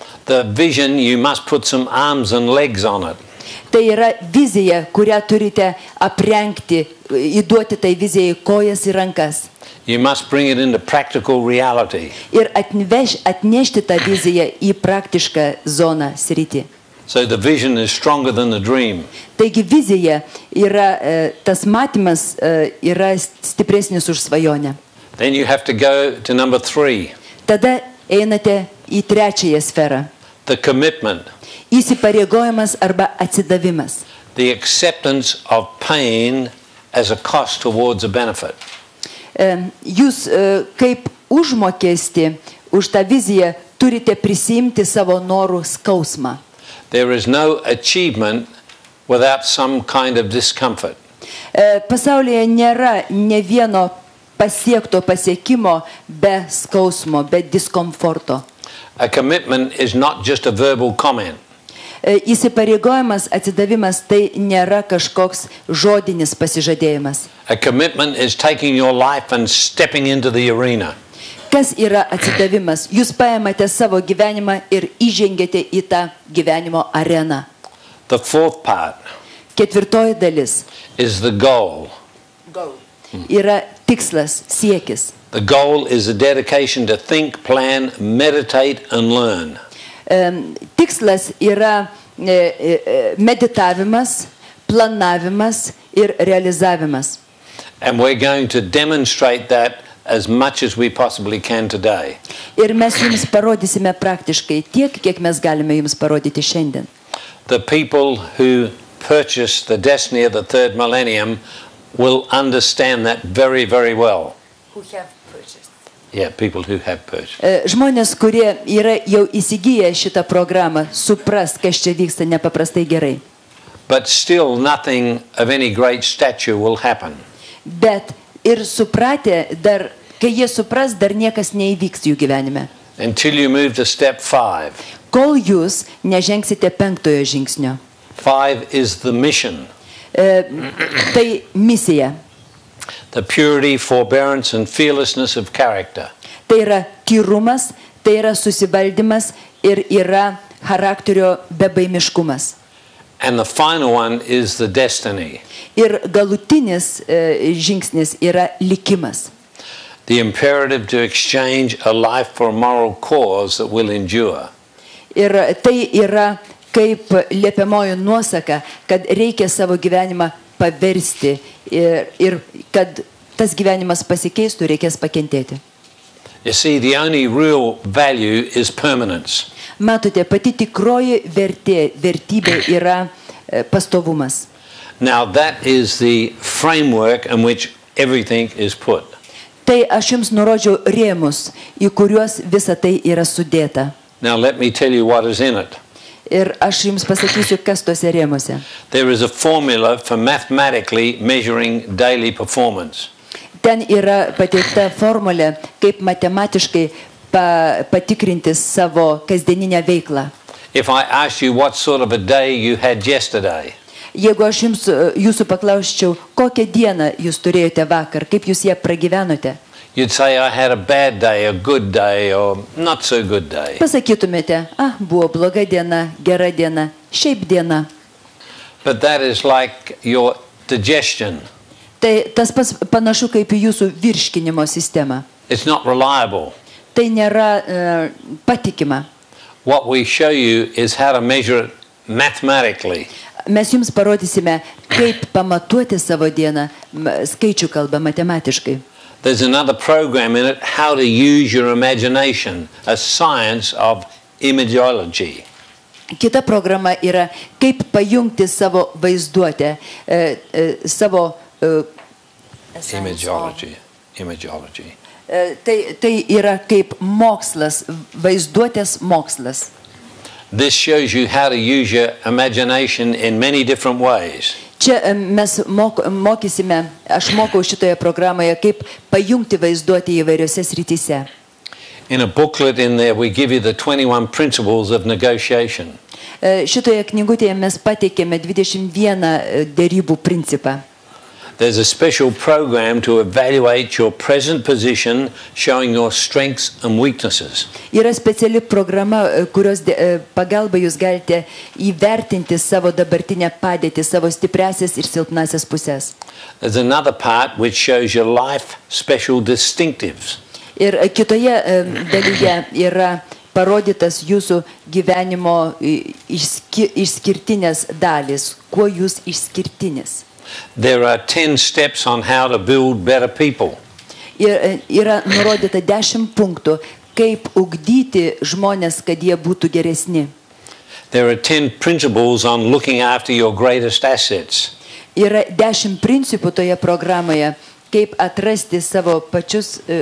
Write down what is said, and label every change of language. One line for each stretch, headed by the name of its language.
English: The vision, you must put some arms and legs on it.
Lithuanian: Tai yra vizija, kurią turite aprengti, įduoti tai vizijai kojas ir rankas.
English: You must bring it into practical reality.
Lithuanian: Ir atnešti tą viziją į praktišką zoną, sritį.
English: So the vision is stronger than the dream.
Lithuanian: Taigi vizija yra tas matymas yra stipresnis už svajonę.
English: Then you have to go to number three.
Lithuanian: Tada einate į trečiąją sferą.
English: The commitment.
Lithuanian: Įsipareigojimas arba atsidavimas.
English: The acceptance of pain as a cost towards a benefit.
Lithuanian: Jūs kaip užmokestį už tą viziją turite prisiimti savo norų skausmą.
English: There is no achievement without some kind of discomfort.
Lithuanian: Pasaulyje nėra ne vieno pasiekto pasiekimo be skausmo, be diskomforto.
English: A commitment is not just a verbal comment.
Lithuanian: Įsipareigojimas, atsidavimas tai nėra kažkoks žodinis pasižadėjimas.
English: A commitment is taking your life and stepping into the arena.
Lithuanian: Kas yra atsidavimas? Jūs paėmate savo gyvenimą ir įžengiate į tą gyvenimo areną.
English: The fourth part.
Lithuanian: Ketvirtoji dalis.
English: Is the goal.
Lithuanian: Yra tikslas, siekis.
English: The goal is a dedication to think, plan, meditate and learn.
Lithuanian: Tikslas yra meditavimas, planavimas ir realizavimas.
English: And we're going to demonstrate that as much as we possibly can today.
Lithuanian: Ir mes jums parodysime praktiškai tiek, kiek mes galime jums parodyti šiandien.
English: The people who purchase the destiny of the third millennium will understand that very, very well. Who have purchased. Yeah, people who have purchased.
Lithuanian: Žmonės, kurie yra jau įsigiję šitą programą, supras, kas čia vyksta nepaprastai gerai.
English: But still nothing of any great stature will happen.
Lithuanian: Bet ir supratę, dar, kai jie supras, dar niekas neįvyks jų gyvenime.
English: Until you move to step five.
Lithuanian: Kol jūs nežengsite penktojo žingsnio.
English: Five is the mission.
Lithuanian: Tai misija.
English: The purity, forbearance and fearlessness of character.
Lithuanian: Tai yra tyrumas, tai yra susivaldymas ir yra charakterio bebaimiškumas.
English: And the final one is the destiny.
Lithuanian: Ir galutinis žingsnis yra likimas.
English: The imperative to exchange a life for a moral cause that will endure.
Lithuanian: Ir tai yra kaip liepiamoji nuosaka, kad reikia savo gyvenimą paversti ir kad tas gyvenimas pasikeistų, reikės pakentėti.
English: You see, the only real value is permanence.
Lithuanian: Matote, pati tikroji vertybė yra pastovumas.
English: Now that is the framework in which everything is put.
Lithuanian: Tai aš jums nurodžiau rėmus, į kuriuos visa tai yra sudėta.
English: Now let me tell you what is in it.
Lithuanian: Ir aš jums pasakysiu, kas tuose rėmuose.
English: There is a formula for mathematically measuring daily performance.
Lithuanian: Ten yra pateikta formulė, kaip matematiškai patikrinti savo kasdieninę veiklą.
English: If I ask you what sort of a day you had yesterday.
Lithuanian: Jeigu aš jums, jūsų paklausčiau, kokią dieną jūs turėjote vakar, kaip jūs ją pragyvenote?
English: You'd say I had a bad day, a good day or not so good day.
Lithuanian: Pasakytumėte, ah, buvo bloga diena, gera diena, šiaip diena.
English: But that is like your digestion.
Lithuanian: Tai tas pas, panašu kaip jūsų virškinimo sistema.
English: It's not reliable.
Lithuanian: Tai nėra patikima.
English: What we show you is how to measure it mathematically.
Lithuanian: Mes jums parodysime, kaip pamatuoti savo dieną skaičių kalba matematiškai.
English: There's another program in it, how to use your imagination, a science of imagology.
Lithuanian: Kita programa yra, kaip pajungti savo vaizduotę, savo
English: imagology.
Lithuanian: Tai yra kaip mokslas, vaizduotės mokslas.
English: This shows you how to use your imagination in many different ways.
Lithuanian: Čia mes mokysime, aš mokau šitoje programoje, kaip pajungti vaizduotę įvairiose srityse.
English: In a booklet in there we give you the 21 principles of negotiation.
Lithuanian: Šitoje knygutėje mes pateikėme 21 derybų principą.
English: There's a special program to evaluate your present position, showing your strengths and weaknesses.
Lithuanian: Yra speciali programa, kurios pagalba jūs galite įvertinti savo dabartinę padėtį, savo stipriasias ir silpnasias puses.
English: There's another part which shows your life special distinctives.
Lithuanian: Ir kitoje dalyje yra parodytas jūsų gyvenimo išskirtinės dalys, kuo jūs išskirtinis.
English: There are 10 steps on how to build better people.
Lithuanian: Yra nurodyta 10 punktų, kaip ugdyti žmones, kad jie būtų geresni.
English: There are 10 principles on looking after your greatest assets.
Lithuanian: Yra 10 principų toje programoje, kaip atrasti savo pačius